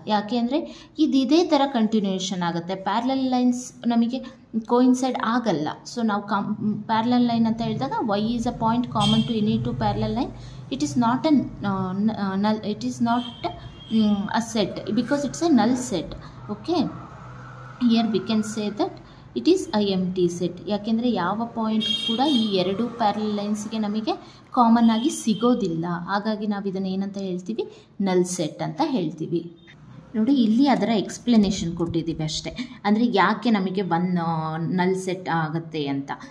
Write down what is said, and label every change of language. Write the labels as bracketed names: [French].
[Kannada] ಯಾಕೆ ಅಂದರೆ ಇದು ಇದೇ ಥರ ಕಂಟಿನ್ಯೂಯೇಷನ್ ಆಗುತ್ತೆ. ಪ್ಯಾರಲಲ್ ಲೈನ್ಸ್ ನಮಗೆ ಕೋಇನ್ಸೈಡ್ ಆಗಲ್ಲ. ಸೊ ನಾವು ಪ್ಯಾರಲಲ್ ಲೈನ್ ಅಂತ ಹೇಳಿದಾಗ [English] Why is a point common to any two parallel line, it is not a null, it is not a set, because it's a null set. Okay, here we can say that it is a empty set. [Kannada] ಯಾಕೆಂದರೆ ಯಾವ point ಕೂಡ ಈ ಎರಡು parallel ಲೈನ್ಸ್ಗೆ ನಮಗೆ common ಆಗಿ ಸಿಗೋದಿಲ್ಲ. ಹಾಗಾಗಿ ನಾವು ಇದನ್ನು ಏನಂತ ಹೇಳ್ತೀವಿ, ನಲ್ ಸೆಟ್ ಅಂತ ಹೇಳ್ತೀವಿ. ನೋಡಿ ಇಲ್ಲಿ ಅದರ ಎಕ್ಸ್ಪ್ಲನೇಷನ್ ಕೊಟ್ಟಿದ್ದೀವಿ ಅಷ್ಟೇ. ಅಂದರೆ ಯಾಕೆ ನಮಗೆ ಒನ್ ನಲ್ ಸೆಟ್ ಆಗುತ್ತೆ ಅಂತ.